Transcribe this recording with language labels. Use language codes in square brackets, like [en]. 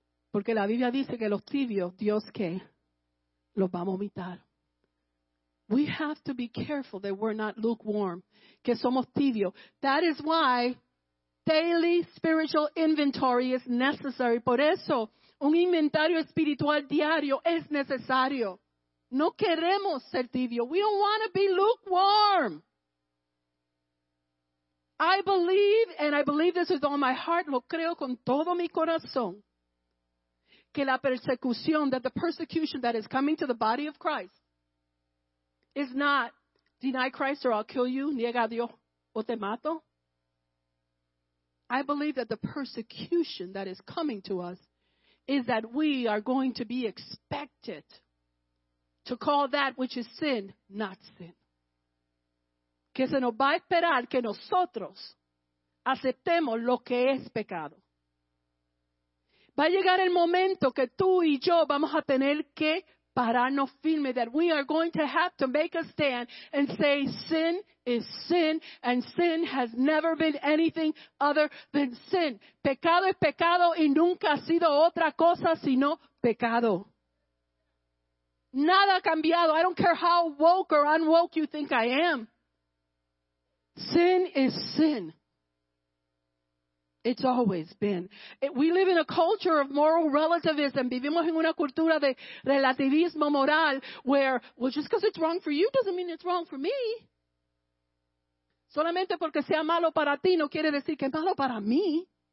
[es] Porque la Biblia dice que los tibios, Dios que, los va a vomitar. [en] We have to be careful that we're not lukewarm. [es] Que somos tibios. [en] That is why daily spiritual inventory is necessary. [es] Por eso, un inventario espiritual diario es necesario. No queremos ser tibio. [en] We don't want to be lukewarm. I believe, and I believe this with all my heart, [es] lo creo con todo mi corazón, que la persecución, [en] that the persecution that is coming to the body of Christ is not deny Christ or I'll kill you, [es] niega a Dios o te mato. [en] I believe that the persecution that is coming to us is that we are going to be expected to call that which is sin, not sin. [es] Que se nos va a esperar que nosotros aceptemos lo que es pecado. Va a llegar el momento que tú y yo vamos a tener que pararnos firme, [en] that we are going to have to make a stand and say sin is sin and sin has never been anything other than sin. [es] Pecado es pecado y nunca ha sido otra cosa sino pecado. Nada ha cambiado. [en] I don't care how woke or unwoke you think I am. Sin is sin. It's always been. We live in a culture of moral relativism. [es] Vivimos en una cultura de relativismo moral [en] where, well, just because it's wrong for you doesn't mean it's wrong for me. [es] Solamente porque sea malo para ti no quiere decir que es malo para mí.